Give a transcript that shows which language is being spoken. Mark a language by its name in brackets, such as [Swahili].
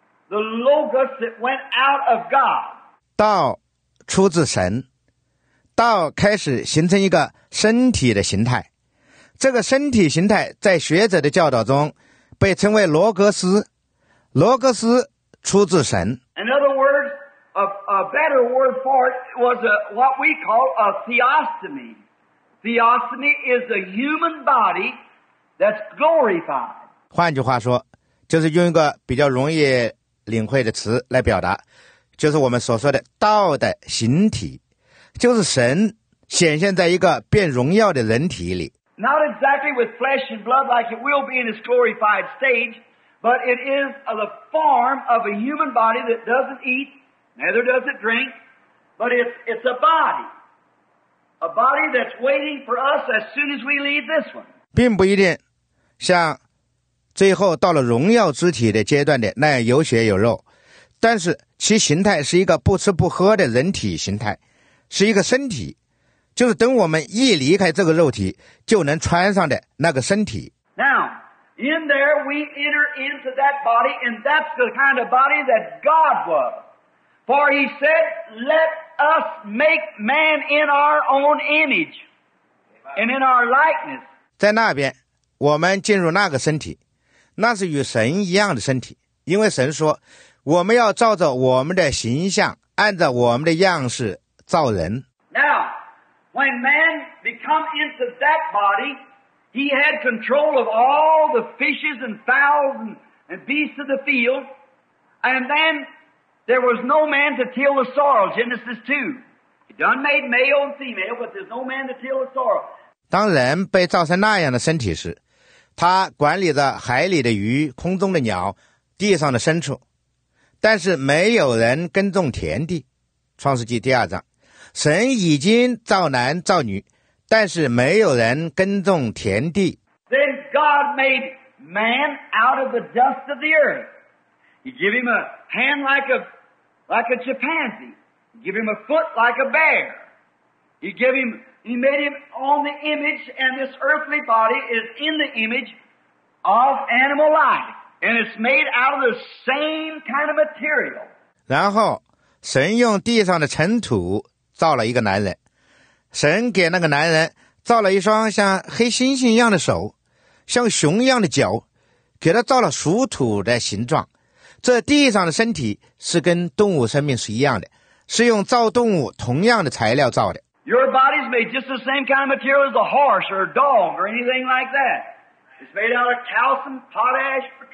[English] The logos that went out of God. [Chinese] 道出自神，道开始形成一个身体的形态，这个身体形态在学者的教导中被称为罗格斯，罗格斯出自神。 [English] In other words, a better word for it was what we call a theostomy. Theostomy is a human body that's glorified. [Chinese] 换句话说，就是用一个比较容易领会的词来表达，就是我们所说的道的形体，就是神显现在一个变荣耀的人体里。 [English] Not exactly with flesh and blood like it will be in its glorified stage, but it is the form of a human body that doesn't eat, neither does it drink, but it's a body. A body that's waiting for us as soon as we leave this one. [Chinese] 并不一定像最后到了荣耀肢体的阶段的那样有血有肉，但是其形态是一个不吃不喝的人体形态，是一个身体，就是等我们一离开这个肉体就能穿上的那个身体。 [English] Now, in there we enter into that body, and that's the kind of body that God was. For he said, let us make man in our own image, and in our likeness. [Chinese] 在那边，我们进入那个身体，那是与神一样的身体，因为神说我们要照着我们的形象，按照我们的样式造人。 [English] Now, when man become into that body, he had control of all the fishes and fowls and beasts of the field, and then there was no man to till the soil. Genesis 2. He done made male and female, but there's no man to till the soil. [Chinese] 当人被造成那样的身体时，他管理着海里的鱼、空中的鸟、地上的牲畜。但是没有人耕种田地，创世纪第二章，神已经造男造女，但是没有人耕种田地。 [English] Then God made man out of the dust of the earth. He gave him a hand like a chimpanzee. He gave him a foot like a bear. He made him on the image, and this earthly body is in the image of animal life. And it's made out of the same kind of material. [Chinese] 然后神用地上的尘土造了一个男人，神给那个男人造了一双像黑猩猩一样的手，像熊一样的脚，给他造了属土的形状。这地上的身体是跟动物生命是一样的，是用造动物同样的材料造的。 [English] Your body is made just the same kind of material as a horse or a dog or anything like that. It's made out of calcium, potash,